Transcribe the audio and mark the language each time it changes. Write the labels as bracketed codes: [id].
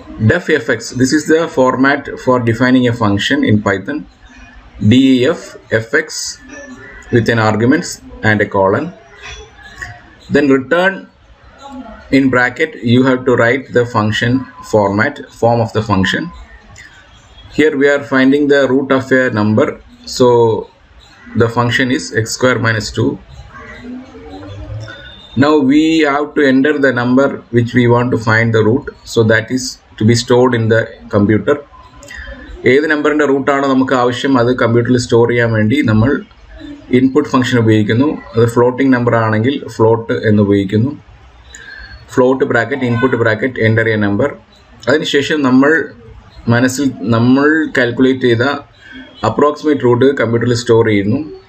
[en] Def f x this is the format for defining a function in Python. D e f f x with n arguments and a colon. Then return in bracket you have to write the function format form of the function. Here we are finding the root of a number, so the function is x square minus 2. Now we have to enter the number which we want to find the root, so that is to be stored in the computer. [ml] ഏത് നമ്പറിൻ്റെ റൂട്ടാണ് നമുക്ക് ആവശ്യം അത് കമ്പ്യൂട്ടറിൽ store ചെയ്യാൻ വേണ്ടി നമ്മൾ ഇൻപുട്ട് ഫംഗ്ഷൻ ഉപയോഗിക്കുന്നു. അത് ഫ്ലോട്ടിംഗ് നമ്പർ ആണെങ്കിൽ ഫ്ലോട്ട് എന്ന് ഉപയോഗിക്കുന്നു. Float bracket input bracket [en] Enter a number. [ml] അതിനുശേഷം നമ്മൾ മനസ്സിൽ നമ്മൾ കാൽക്കുലേറ്റ് ചെയ്ത അപ്രോക്സിമേറ്റ് റൂട്ട് കമ്പ്യൂട്ടറിൽ സ്റ്റോർ ചെയ്യുന്നു.